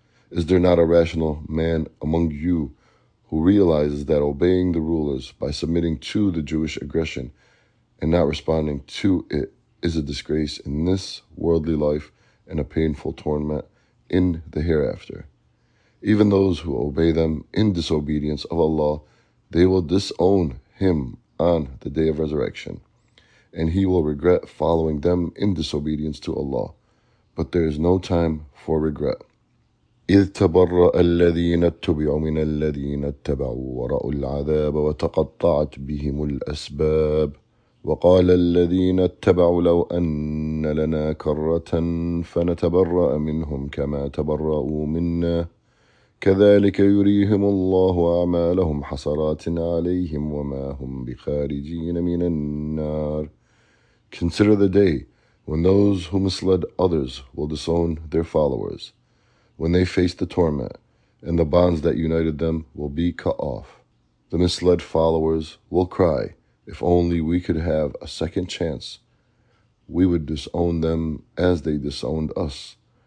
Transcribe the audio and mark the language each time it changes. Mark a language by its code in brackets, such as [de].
[en] Is there not a rational man among you who realizes that obeying the rulers by submitting to the Jewish aggression and not responding to it is a disgrace in this worldly life and a painful torment in the hereafter? Even those who obey them in disobedience of Allah, they will disown him on the day of resurrection, and he will regret following them in disobedience to Allah. But there is no time for regret. [ar] إذ تبرأ الذين اتبعوا من الذين اتبعوا ورأوا العذاب وتقطعت بهم الأسباب وقال الذين اتبعوا لو أن لنا كرة فنتبرأ منهم كما تبرأوا منا كذلك يريهم الله أعمالهم حسرات عليهم وما هم بخارجين من النار. [en] Consider the day when those who misled others will disown their followers, when they face the torment, and the bonds that united them will be cut off. The misled followers will cry, if only we could have a second chance, we would disown them as they disowned us.